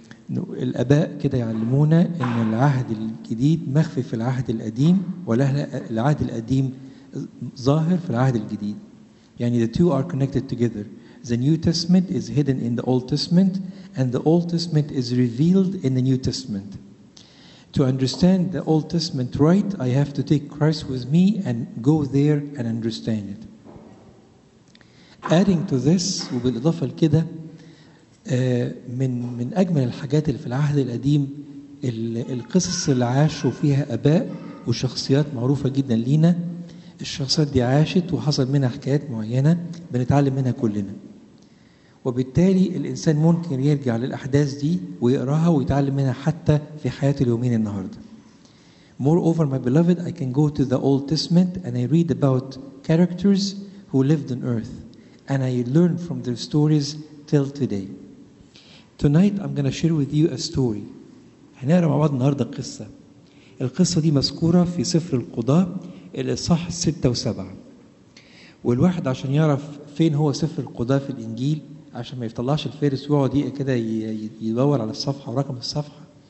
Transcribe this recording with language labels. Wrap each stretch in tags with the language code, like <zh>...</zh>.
<ar>الآباء كده يعلمونا إن العهد الجديد مخفف في العهد القديم ولا العهد القديم ظاهر في العهد الجديد.</ar> <en>يعني the two are connected together. The New Testament is hidden in the Old Testament and the Old Testament is revealed in the New Testament. To understand the Old Testament right, I have to take Christ with me and go there and understand it. Adding to this,</en> <ar>وبالإضافة لكده, من أجمل الحاجات اللي في العهد القديم القصص اللي عاشوا فيها أباء وشخصيات معروفة جدا لينا. الشخصيات دي عاشت وحصل منها حكايات معينة بنتعلم منها كلنا. وبالتالي الإنسان ممكن يرجع للأحداث دي ويقراها ويتعلم منها حتى في حياته اليومين النهاردة.</ar> <en>Moreover, my beloved, I can go to the Old Testament and I read about characters who lived on earth and I learn from their stories till today. Tonight, I'm going to share with you a story.</en> <ar>هنقرأ مع بعض النهاردة قصة. القصة دي مذكورة في سفر القضاة الإصحاح 6 و7. والواحد عشان يعرف فين هو سفر القضاة في الإنجيل عشان ما يطلعش الفارس ويقعد كده يدور على الصفحه ورقم الصفحه.</ar>